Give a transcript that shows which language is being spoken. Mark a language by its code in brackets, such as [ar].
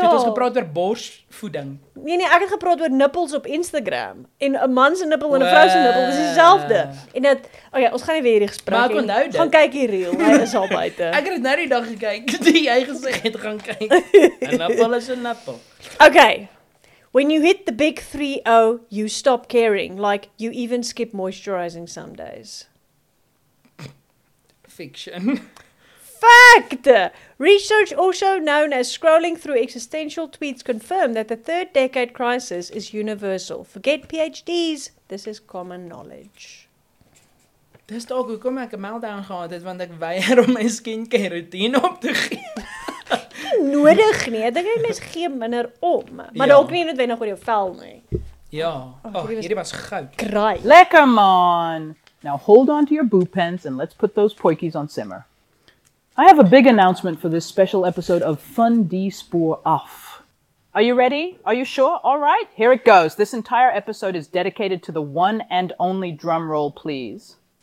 [af] Toe het ons gepraat oor borsvoeding. Nee nee, ek het gepraat oor nippels op Instagram. En 'n man se nippel en 'n vrou se nippel is dieselfde. En dit Oké, okay, ons gaan nie weer hierdie gesprek hê. Maar ek onthou dit. Gaan kyk hier reel. Hy is al buite. Ek het nou die dag gekyk toe jy gesê het gaan kyk. 'N nippel is 'n nippel. Okay. [en] When you hit the big 3-0, you stop caring. Like, you even skip moisturizing some days. Fiction. Fact! Research also known as scrolling through existential tweets confirm that the third decade crisis is universal. Forget PhDs. This is common knowledge. [af] Dis ook hoekom ek 'n meltdown gehad het, want ek weier om my skincare routine op te gee. Nodig nie, ek dink jy mens gee minder om, maar dalk nie noodwendig oor jou vel nie. Ja, hierdie was goud. Kraai. Lekker man. [en] Now hold on to your boo pens and let's put those poikies on simmer. I have a big announcement for this special episode of Fun Die Spoor Af. Are you ready? Are you sure? All right, here it goes. This entire episode is dedicated to the one and only drum roll, please.